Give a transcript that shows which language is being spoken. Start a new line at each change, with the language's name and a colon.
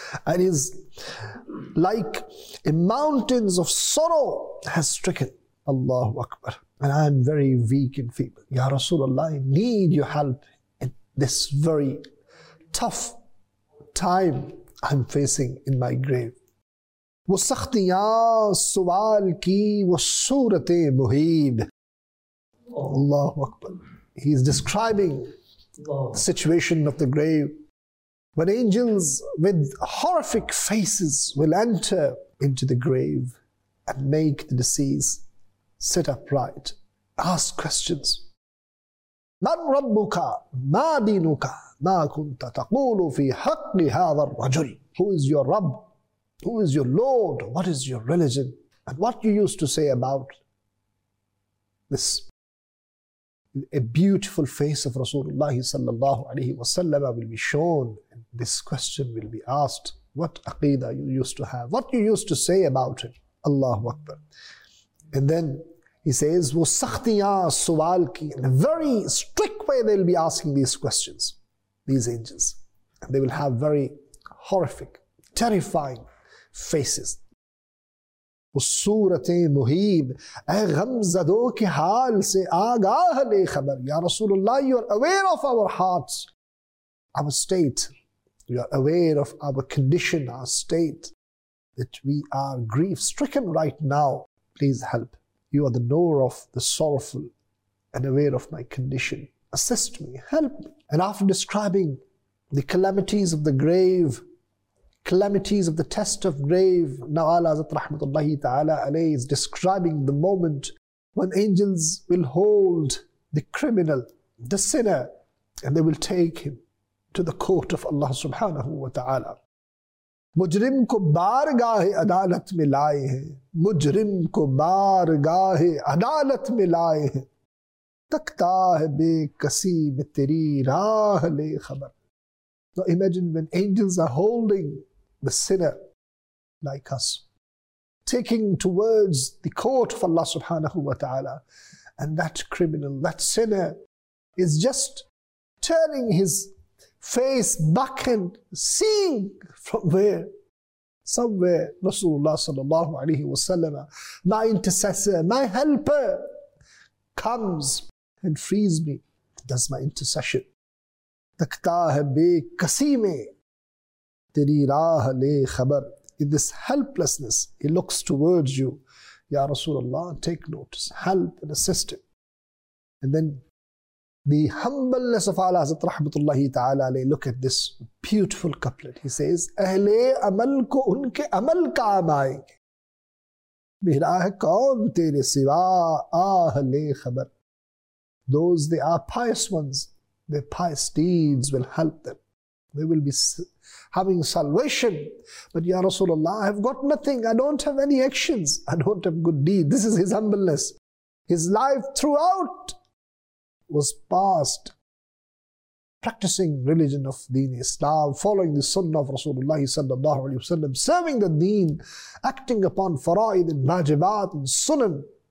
English: And is like a mountains of sorrow has stricken. Allahu Akbar. And I am very weak and feeble. Ya Rasulullah, I need your help in this very tough time I'm facing in my grave.
Urdu: وہ سختیاں سوال کی وہ صورت محیب.
English: Allah Akbar. He is describing the situation of the grave. When angels with horrific faces will enter into the grave and make the deceased sit upright, ask questions.
Arabic: مَنْ رَبُّكَ مَا دِينُكَ مَا كُنْتَ تَقُولُ فِي حَقِّ هَذَا الرَّجُلِ.
English: Who is your Rabb? Who is your Lord? What is your religion? And what you used to say about this? A beautiful face of Rasulullah sallallahu alayhi wa sallam will be shown. And this question will be asked. What aqeedah you used to have? What you used to say about it? Allahu Akbar. And then he says,
Urdu: وہ سختیاں سوال کی.
English: In a very strict way, they'll be asking these questions, these angels. And they will have very horrific, terrifying faces.
Urdu: وہ صورت محیب اے غمزدوں کے حال سے آگاہ لے خبر.
English: یا رسول اللہ, you are aware of our hearts, our state. You are aware of our condition, our state, that we are grief-stricken right now. Please help. You are the knower of the sorrowful and aware of my condition. Assist me. Help me. And after describing the calamities of the grave, calamities of the test of grave, now Allah Hazrat Rahmatullahi Ta'ala Alayhi is describing the moment when angels will hold the criminal, the sinner, and they will take him to the court of Allah Subhanahu Wa Ta'ala.
Urdu: مجرم کو بارگاہ عدالت میں لائے ہیں، مجرم کو بارگاہ عدالت میں لائے ہیں، تکتا ہے بے کسی میں تیری راہ لے خبر.
English: Now imagine when angels are holding the sinner like us, taking towards the court of Allah subhanahu wa ta'ala, and that criminal, that sinner is just turning his face back and seeing from where? Somewhere Rasulullah sallallahu alayhi wa sallam, my intercessor, my helper comes and frees me, does my intercession.
Urdu: تکتا ہے بے کسی میں تیری راہ لے خبر.
English: In this helplessness, he looks towards you. Ya Rasulullah, take notice, help and assist him. And then the humbleness of Allah Hazrat Rahmatullahi Ta'ala Alayh, look at this beautiful couplet. He says,
Urdu: اہلِ عمل کو ان کے عمل کام آئیں گے، بہراہ کون تیرے سوا آہ لے خبر.
English: Those they are pious ones, their pious deeds will help them. They will be having salvation. But Ya Rasulullah, I have got nothing. I don't have any actions. I don't have good deeds. This is his humbleness. His life throughout was passed practicing religion of Deen Islam, following the Sunnah of Rasulullah sallallahu alayhi wa sallam, serving the Deen, acting upon fara'id and wajibat and sunan.